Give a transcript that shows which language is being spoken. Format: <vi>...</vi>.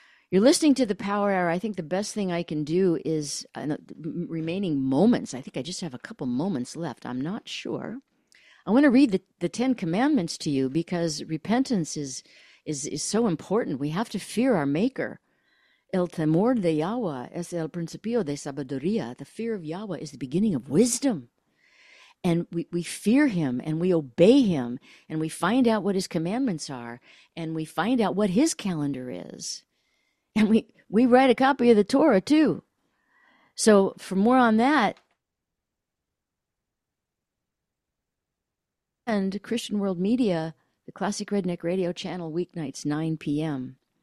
<en>You're listening to the Power Hour. I think the best thing I can do is, in the remaining moments, I think I just have a couple moments left. I'm not sure. I want to read the Ten Commandments to you, because repentance is so important. We have to fear our Maker.</en> <es>El temor de Yahweh es el principio de sabiduría.</es> <en>The fear of Yahweh is the beginning of wisdom. And we fear him, and we obey him, and we find out what his commandments are, and we find out what his calendar is. And we write a copy of the Torah, too. So for more on that, and Christian World Media, the Classic Redneck Radio Channel, weeknights, 9 p.m.</en>